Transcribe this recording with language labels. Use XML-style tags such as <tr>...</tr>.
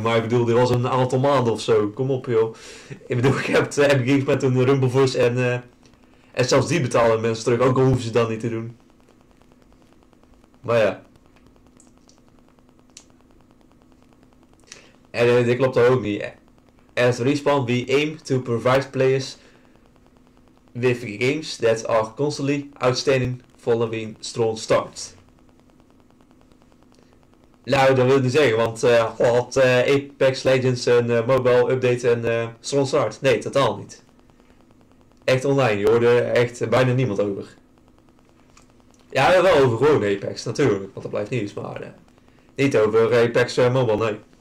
<nl>Maar ik bedoel, dit was een aantal maanden of zo. Kom op, joh. Ik bedoel, ik heb Epic Games met een Rumbleverse en... En zelfs die betalen mensen terug, ook al hoeven ze dat niet te doen. Maar ja. En dit klopt dan ook niet.</nl> <en>As respawn, we aim to provide players... with games that are constantly outstanding following strong start.</en> <nl>Nou, dat wil ik niet zeggen, want had Apex Legends een mobile update en</nl> <en>strong start?</en> <nl>Nee, totaal niet. Echt online, je hoorde echt bijna niemand over. Ja, wel over gewoon Apex, natuurlijk, want dat blijft nieuws, maar niet over Apex Mobile, nee.</nl>